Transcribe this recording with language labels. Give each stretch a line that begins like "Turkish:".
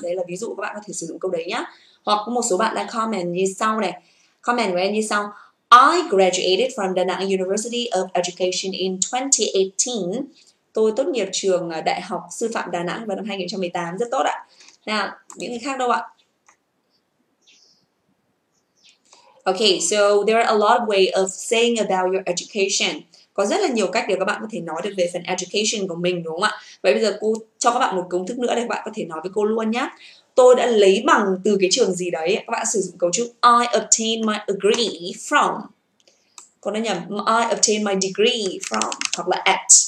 Vietnamese: Đấy là ví dụ, các bạn có thể sử dụng câu đấy nhá. Hoặc có một số bạn đang comment như sau này. Comment của em như sau:
English: I graduated from Da Nang University of Education in 2018.
Vietnamese: Tôi tốt nghiệp trường Đại học Sư phạm Đà Nẵng vào năm 2018. Rất tốt ạ. Nào, những người khác đâu ạ?
English: Okay, so there are a lot of ways of saying about your education.
Vietnamese: Có rất là nhiều cách để các bạn có thể nói được về phần education của mình, đúng không ạ? Vậy bây giờ cô cho các bạn một công thức nữa để các bạn có thể nói với cô luôn nhé. Tôi đã lấy bằng từ cái trường gì đấy, các bạn sử dụng cấu trúc
English: I obtained my degree from.
Vietnamese: Cô nói nhầm,
English: I obtained my degree from,
Vietnamese: hoặc là
English: at.